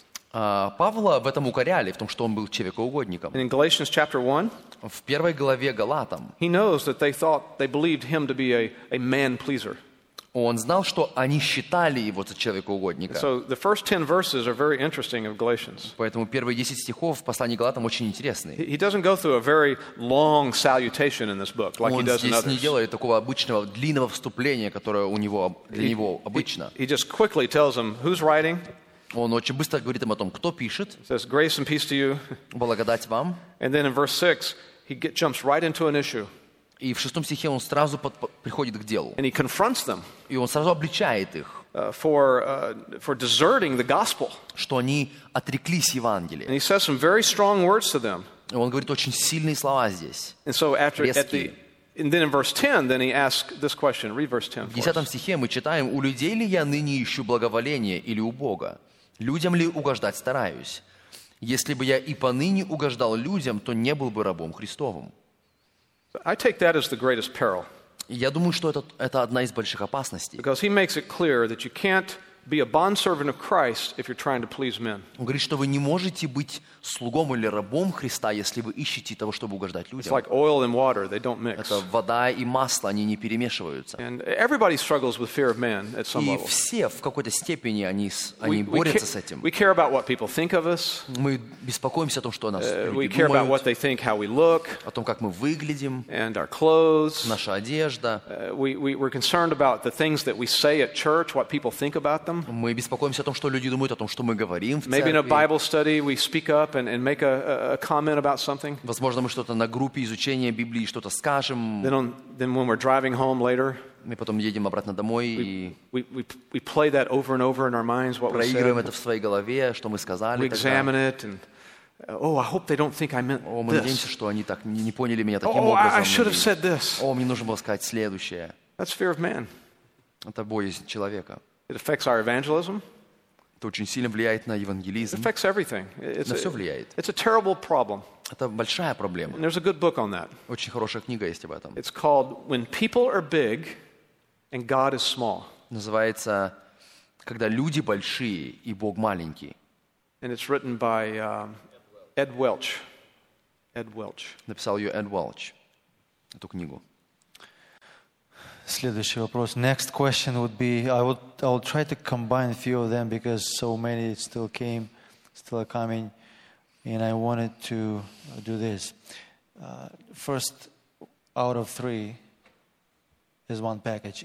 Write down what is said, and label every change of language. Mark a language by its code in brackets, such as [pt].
[ru] Павла в этом укоряли, в том, что он был человекоугодником. [en] In Galatians chapter 1, [ru] в первой главе Галатам, [en] he knows that they thought they believed him to be a man pleaser. [ru] Он знал, что они считали его за человекоугодника. [en] So the first 10 verses are very interesting of Galatians. [ru] Поэтому первые 10 стихов в послании к Галатам очень интересны. [en] He doesn't go through a very long salutation in this book like he does in others. [ru] Он не делает такого обычного длинного вступления, которое у него для него обычно. [en] He just quickly tells them who's writing. [ru] Он очень быстро говорит им о том, кто пишет. [en] Says grace and peace to you. [ru] Благодать вам. [en] And then in verse 6 he jumps right into an issue. [ru] И в шестом стихе он сразу приходит к делу. [en] And he confronts them. [ru] И он сразу обличает их. [en] For deserting the gospel. [ru] Что они отреклись Евангелия. [en] And he says some very strong words to them. [ru] И он говорит очень сильные слова здесь. [en] And so after, [ru] резкие. [en] And then in verse 10, then he asks this question. Read verse 10 for us. [ru] В десятом стихе мы читаем, у людей ли я ныне ищу благоволение или у Бога? Людям ли угождать стараюсь? Если бы я и поныне угождал людям, то не был бы рабом Христовым. [en] I take that as the greatest peril. [ru] Я думаю, что это одна из больших опасностей. [en] Because he makes it clear that you can't be a bondservant of Christ if you're trying to please men. [ru] Он говорит, что вы не можете быть слугом или рабом Христа, если вы ищете того, чтобы угождать людям. [en] It's like oil and water, they don't mix. [ru] Это вода и масло, они не перемешиваются. [en] And everybody struggles with fear of man at some level. [ru] И все в какой-то степени они борются с этим. [en] We care about what people think of us. [ru] Мы беспокоимся о том, что о нас люди думают. [en] We care about what they think, how we look. [ru] О том, как мы выглядим. [en] And our clothes. [ru] Наша одежда. [en] We're concerned about the things that we say at church, what people think about them. [ru] Мы беспокоимся о том, что люди думают о том, что мы говорим в церкви. [en] Maybe in a Bible study we speak up and make a comment about something. [ru] Возможно, мы что-то на группе изучения Библии что-то скажем. [en] Then when we're driving home later. [ru] Мы потом едем обратно домой и [en] we play that over and over in our minds what we said. [ru] Проигрываем это в своей голове, что мы сказали. [en] We examine it and I hope they don't think I meant this. [ru] Мы надеемся, что они так не поняли меня таким образом. [en] I should have said this. [ru] Мне нужно было сказать следующее. [en] That's fear of man. [ru] Это боязнь человека. [en] It affects our evangelism. [ru] Это очень сильно влияет на евангелизм. [en] It affects everything. [ru] На все влияет. [en] It's a terrible problem. [ru] Это большая проблема. [en] And there's a good book on that. [ru] Очень хорошая книга есть об этом. [en] It's called When People Are Big and God Is Small. [ru] Называется «Когда люди большие и Бог маленький». [en] And it's written by Ed Welch. Ed Welch. [ru] Написал ее Эд Уэлч, эту книгу. Следующий вопрос. [en] Next question would be, I'll try to combine a few of them because so many still are coming, and I wanted to do this. First out of three is one package.